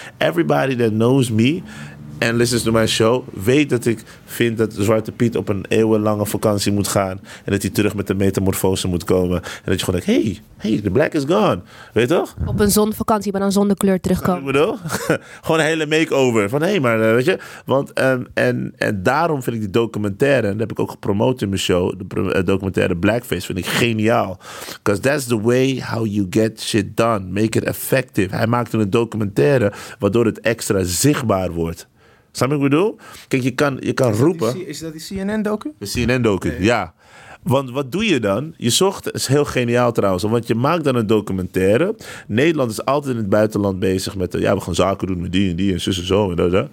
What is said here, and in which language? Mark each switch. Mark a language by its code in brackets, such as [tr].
[en] Everybody that knows me [nl] en [en] listens to my show [nl] weet dat ik vind dat Zwarte Piet op een eeuwenlange vakantie moet gaan en dat hij terug met de metamorfose moet komen en dat je gewoon denkt, hey, [en] the black is gone. [nl] Weet je toch? Op een zonvakantie, maar dan zonder kleur terugkomen. Ik bedoel, gewoon een hele makeover. Van hey, maar weet je, want en daarom vind ik die documentaire, en dat heb ik ook gepromoot in mijn show, de documentaire Blackface, vind ik geniaal. [en] Because that's the way how you get shit done. Make it effective. [nl] Hij maakte een documentaire waardoor het extra zichtbaar wordt. Snap je wat ik bedoel? Kijk, je kan roepen. Is dat die CNN-docu? De CNN-docu, ja. Want wat doe je dan? Je zocht, dat is heel geniaal trouwens, want je maakt dan een documentaire. Nederland is altijd in het buitenland bezig met, ja, we gaan zaken doen met die en zus en zo. En dat.